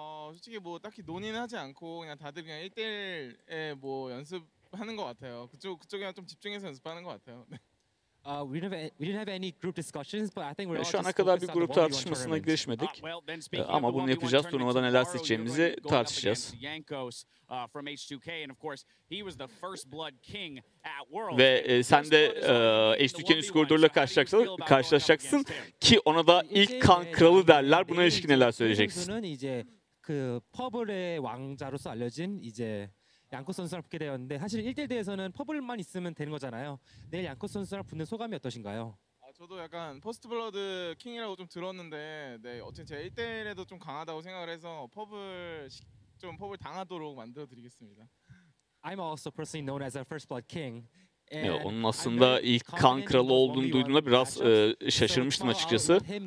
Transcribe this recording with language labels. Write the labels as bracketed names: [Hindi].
[Turkish] Açıkçası [Korean] 뭐 딱히 논의는 하지 않고 그냥 다들 그냥 1대1에 뭐 연습하는 것 같아요. 그쪽에만 좀 집중해서 연습하는 것 같아요. [English] We didn't have any group discussions, but I think we're [Turkish] şu ana kadar bir grup tartışmasına girişmedik. Ama bunu yapacağız. Turnuvada neler seçeceğimizi tartışacağız. [English] Yankos from H2K and of course he was the first blood king at world. [Turkish] Ve sen de H2K'nin üst koridoruyla karşılaşacaksın ki ona da ilk kan kralı derler. Buna ilişkin neler söyleyeceksin? [Korean] 그 퍼블의 왕자로서 알려진 이제 양코 선수랑 붙게 되었는데 사실 1대 대에서는 퍼블만 있으면 되는 거잖아요. 내일 양코 선수랑 붙는 소감이 어떠신가요? 아 저도 약간 퍼스트 블러드 킹이라고 좀 들었는데 네 어쨌든 제가 1대1에도 좀 강하다고 생각을 해서 퍼블 당하도록 만들어 드리겠습니다. [English] I'm also personally known as a first blood king [Turkish] Ya, onun aslında ilk kan kralı olduğunu duyduğumda biraz şaşırmıştım açıkçası.